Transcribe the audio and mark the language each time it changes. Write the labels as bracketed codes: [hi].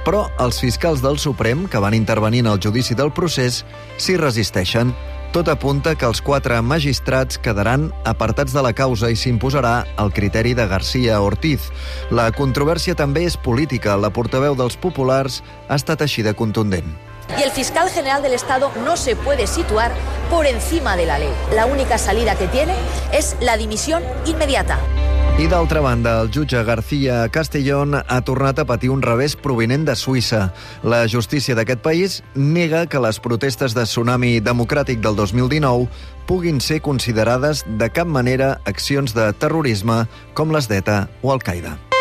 [ca] Però els fiscals del Suprem, que van intervenir en el judici del procés, s'hi resisteixen. Tot apunta que els quatre magistrats quedaran apartats de la causa i s'imposarà el criteri de García Ortiz. La controvèrsia també és política. La portaveu dels populars ha estat així de contundent. [es] Y el fiscal general del Estado no se puede situar por encima de la ley. La única salida que tiene es la dimisión inmediata. [ca] I d'altra banda, el jutge García Castellón ha tornat a patir un revés provinent de Suïssa. La justícia d'aquest país nega que les protestes de Tsunami Democràtic del 2019 puguin ser considerades de cap manera accions de terrorisme com les d'ETA o Al-Qaeda.